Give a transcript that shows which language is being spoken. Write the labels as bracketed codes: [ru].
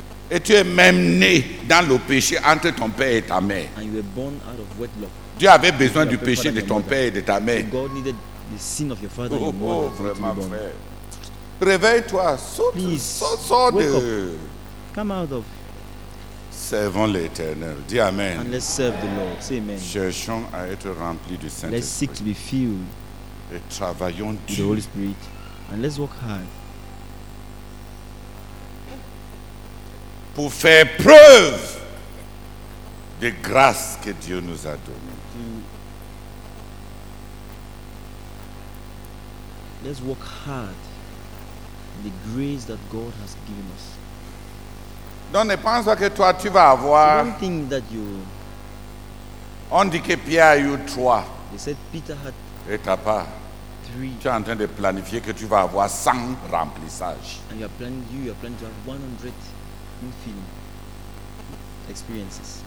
[fr] Et tu es même né dans le péché entre ton père et ta mère. [en] And you were born out of wedlock. [fr] Dieu avait besoin du péché de ton père et de ta mère. [en] God needed the sin of your father and your mother for you to be born. [fr] Réveille-toi, sors de. [en] Come out of. [fr] Servons l'Éternel. Dis amen. [en] And let's serve the Lord. Say amen. [fr] Cherchons à être remplis du Saint-Esprit. [en] Let's seek to be filled. [fr] Et travaillons dur. [en] The Holy Spirit. And let's work hard. [fr] Pour faire preuve des grâces que Dieu nous a données. [en] Let's work hard. The grace that God has given us. [fr] Donc ne pense pas que toi tu vas avoir. [en] One thing that you. [fr] On dit que Pierre a eu trois. [en] They said Peter had. [fr] Et t'as pas. [en] Three. [fr] Tu es en train de planifier que tu vas avoir 100 remplissages. [en] And you are planning to have 100 infilling experiences.